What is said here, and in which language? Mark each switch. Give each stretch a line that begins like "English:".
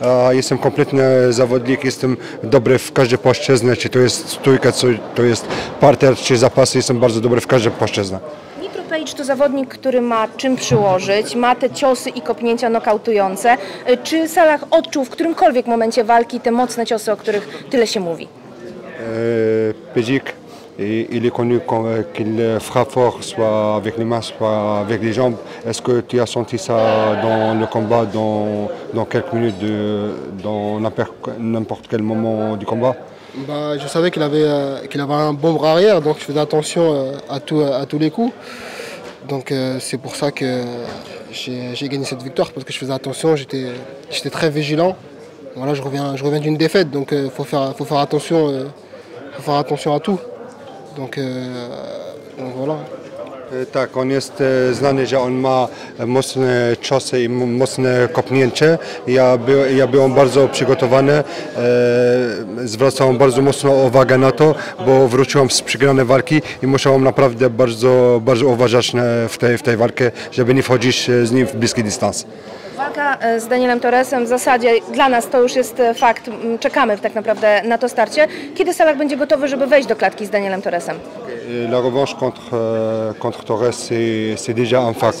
Polish: Jestem kompletny zawodnik, jestem dobry w każdej płaszczyźnie, czy to jest stójka, czy to jest parter, czy zapasy, jestem bardzo dobry w każdej płaszczyźnie. Page to zawodnik, który ma czym przyłożyć, ma te ciosy i kopnięcia nokautujące. Czy Salah odczuł w którymkolwiek momencie walki te mocne ciosy, o których tyle się mówi?
French: Pedzik, il est connu qu'il frappe fort, soit avec les mains, soit avec les jambes. Est-ce que tu as senti ça dans le combat, dans quelques minutes, dans n'importe quel moment du combat? Bah, je savais qu'il avait un bon bras arrière, donc je faisais attention à tous les coups. Donc c'est pour ça que j'ai gagné cette victoire, parce que je faisais attention, j'étais très vigilant. Voilà, je reviens d'une défaite, donc faut faire attention à tout. Donc voilà.
Polish: Tak, on jest znany, że on ma mocne ciosy i mocne kopnięcie. Ja byłem bardzo przygotowany, zwracałem bardzo mocno uwagę na to, bo wróciłem z przegranej walki i musiałem naprawdę bardzo, bardzo uważać w tej walce, żeby nie wchodzić z nim w bliski dystans. Walka z Danielem Torresem w zasadzie dla nas to już jest fakt. Czekamy tak naprawdę na to starcie. Kiedy Salah będzie gotowy, żeby wejść do klatki z Danielem Torresem?
French: La revanche contre Torres, c'est déjà un fact.